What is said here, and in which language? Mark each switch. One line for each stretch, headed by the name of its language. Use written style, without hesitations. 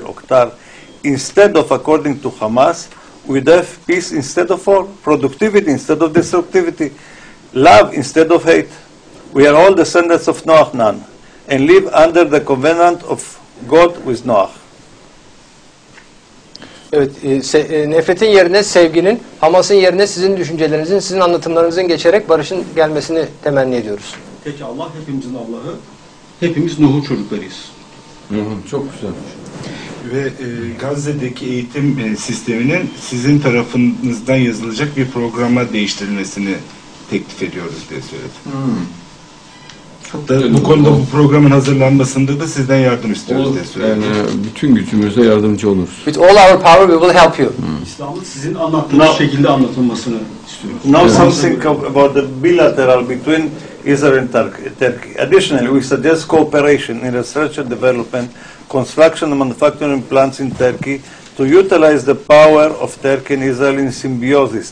English: Oktar instead of according to Hamas, we'd have peace instead of war, productivity instead of destructivity, love instead of hate. We are all descendants of Noach Nan and live under the covenant of God with Noach.
Turkish: Evet, nefretin yerine sevginin, Hamas'ın yerine sizin düşüncelerinizin, sizin anlatımlarınızın geçerek barışın gelmesini temenni ediyoruz. Peki Allah hepimizin Allah'ı, hepimiz Nuh'un çocuklarıyız. Çok güzel. Ve Gazze'deki eğitim sisteminin sizin tarafınızdan yazılacak bir programa değiştirilmesini teklif ediyoruz diye söyledi. Bu konuda bu programın hazırlanmasında da sizden yardım istiyoruz diye söyleyeyim. Yani bütün gücümüze yardımcı oluruz.
English: With all our power we will help you.
Turkish: İslam'ın sizin anlattığınız şekilde anlatılmasını istiyoruz.
English: Now something about the bilateral between Israel and Turkey. Additionally, we suggest cooperation in research and development, construction and manufacturing plants in Turkey to utilize the power of Turkey and Israel in symbiosis.